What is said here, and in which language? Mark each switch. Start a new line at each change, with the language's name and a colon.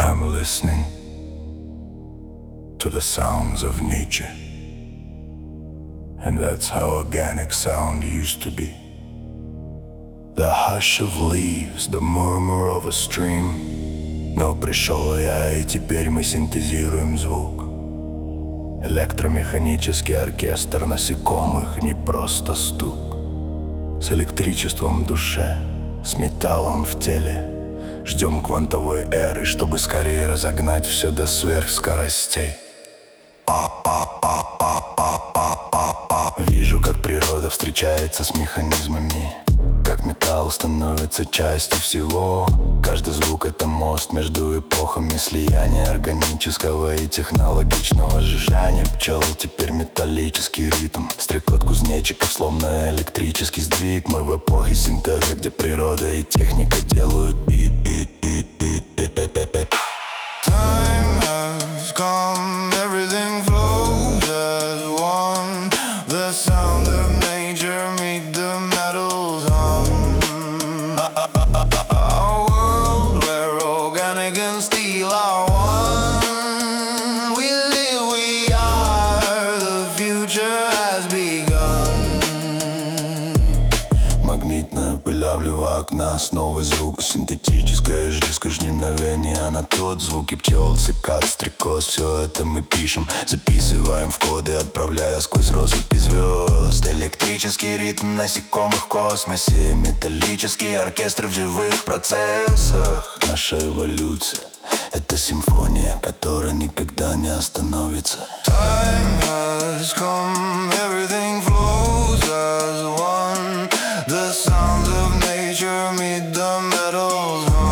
English: listening to the sounds of nature. And that's how organic sound used to be. The hush of leaves, the murmur of a stream.
Russian: Но пришел я, и теперь мы синтезируем звук. Электромеханический оркестр насекомых, не просто стук. С электричеством в душе, с металлом в теле. Ждем квантовой эры, чтобы скорее разогнать все до сверхскоростей. Па-па-па-па-па-па-па-па. Вижу, как природа встречается с механизмами. Как металл становится частью всего. Каждый звук — это мост между эпохами. Слияние органического и технологичного жужжания пчел. Теперь металлический ритм. Стрекот кузнечиков, словно электрический сдвиг. Мы в эпохе синтеза, где природа и техника делают бит-бит-бит-бит-бит-бит.
English: Time has come, everything flows as one. The sound of nature meet the metals hum. A world where organic and steel are one. We live, we are, the future has begun.
Russian: Магнитная пыль облива окна, снова звук синтетическая жизнь. Жненовение на тот звук и пчел, цикад, стрекоз. Все это мы пишем, записываем в коды, отправляя сквозь россыпи звезд. Электрический ритм насекомых в космосе. Металлический оркестр в живых процессах. Наша эволюция — это симфония, которая никогда не остановится.
English: Time has come, everything flows as one. The sounds of nature meet the metals.